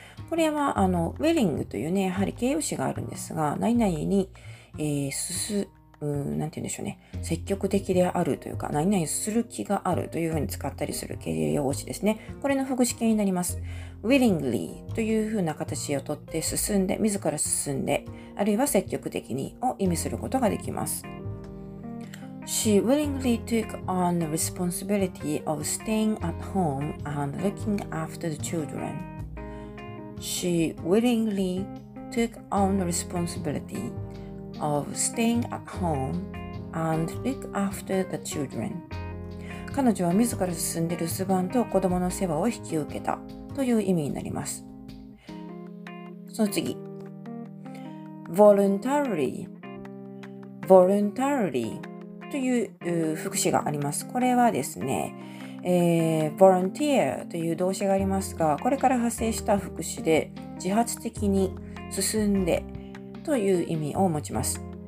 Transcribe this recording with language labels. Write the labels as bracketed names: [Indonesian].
[Japanese] これはwilling というね、やはり形容詞があるんですが、何々に、進む、なんて言うんでしょうね、積極的であるというか、何々する気があるというふうに使ったりする形容詞ですね。これの副詞形になります。willingly というふうな形をとって進んで、自ら進んで、あるいは積極的にを意味することができます。 [English] She willingly took on the responsibility of staying at home and looking after the children. She willingly took on the responsibility of staying at home and look after the children. [Japanese] 彼女は自ら進んで留守番と子供の世話を引き受けたという意味になります。その次。Voluntarily. という副詞があります。これはですね、volunteer という動詞がありますが、これから発生した副詞で、自発的に進んでという意味を持ちます。